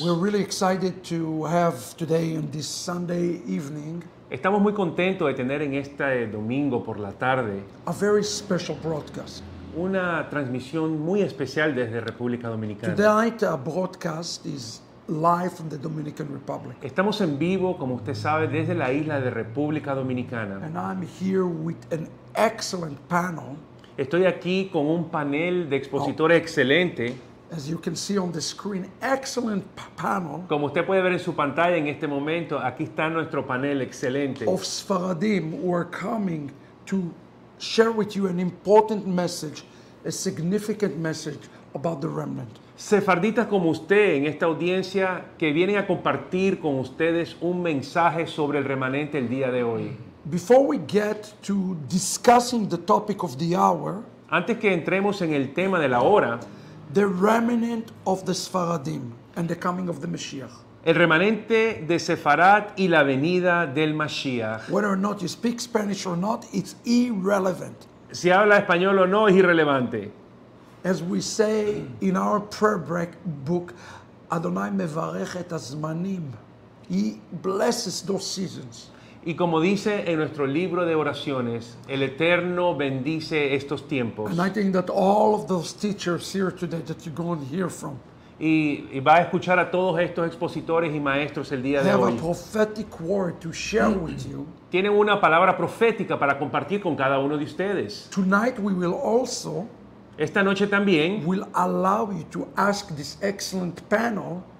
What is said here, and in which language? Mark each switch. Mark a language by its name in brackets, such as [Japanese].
[English] We're really excited to have today on this Sunday evening. [Spanish] Estamos muy contentos de tener en este domingo por la tarde [English] a very special broadcast. [Spanish] Una transmisión muy especial desde República Dominicana. [English] Tonight, our broadcast is live from the Dominican Republic. [Spanish] Estamos en vivo, como usted sabe, desde la isla de República Dominicana. [English] And I'm here with an excellent panel. [Spanish] Estoy aquí con un panel de expositores excelente. [English] As you can see on the screen, excellent panel. [Spanish] Como usted puede ver en su pantalla en este momento, aquí está nuestro panel excelente. [English] Of Sfaradim who are coming to share with you an important message, a significant message about the remnant. [Spanish] Sefarditas como usted en esta audiencia que vienen a compartir con ustedes un mensaje sobre el remanente el día de hoy. [English] Before we get to discussing the topic of the hour, [Spanish] antes que entremos en el tema de la hora, [English] the remnant of the Sfaradim and the coming of the Mashiach. [Spanish] El remanente de Sefarad y la venida del Mashiach. [English] Whether or not you speak Spanish or not, it's irrelevant. [Spanish] Si habla español o no, es irrelevante. [English] As we say in our prayer break book, [Hebrew] Adonai mevarech et hazmanim. [English] He blesses those seasons. [Spanish] Y como dice en nuestro libro de oraciones, el Eterno bendice estos tiempos. [English] And I think that all of those teachers here today that you're going to hear from. [Spanish] Y va a escuchar a todos estos expositores y maestros el día de hoy. [English] Have a prophetic word to share with you. [Spanish] Tienen una palabra profética para compartir con cada uno de ustedes. [English] Tonight we will also. [Spanish] Esta noche también. [English] Will allow you to ask this excellent panel.